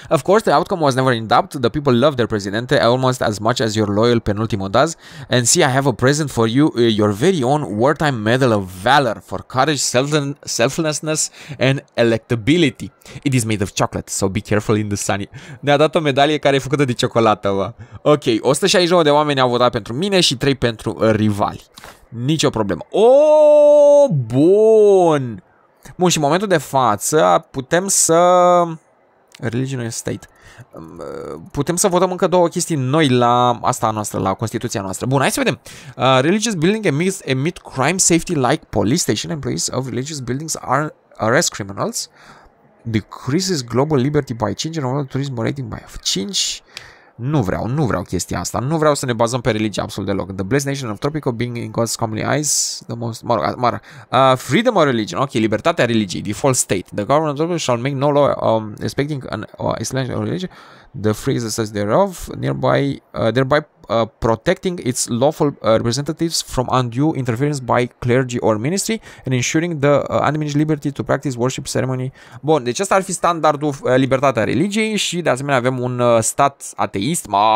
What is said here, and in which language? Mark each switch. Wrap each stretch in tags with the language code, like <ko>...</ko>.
<en>Of course, the outcome was never in doubt. The people love their presidente almost as much as your loyal penultimo does. And see, I have a present for you, your very own wartime medal of valor for courage, selflessness and electability. It is made of chocolate, so be careful in the sunny.</en> <ro>Ne-a dat o medalie care e făcută de ciocolată, bă. Ok, 169 de oameni au votat pentru mine și 3 pentru rivali. Nicio problemă. Bun. Bun, și în momentul de față putem să... Religion and state. Putem să votăm încă două chestii noi la asta noastră, la Constituția noastră.</ro> <en>Bun, hai să vedem. Religious building emit crime safety like police station. Employees of religious buildings arrest criminals. Decreases global liberty by 5 and overall tourism rating by 5.</en> <ro>Nu vreau chestia asta. Nu vreau să ne bazăm pe religie absolut deloc.</ro> <en>The blessed nation of Tropico being in God's comely eyes the most, freedom of religion. Ok, libertatea religiei. Default state. The government of Tropico shall make no law respecting an Islamic religion. The free exercise thereof nearby, thereby protecting its lawful representatives from undue interference by clergy or ministry and ensuring the undiminished liberty to practice worship ceremony.</en> <ro>Bun, deci asta ar fi standardul libertatea religiei și de asemenea avem un stat ateist.</ro>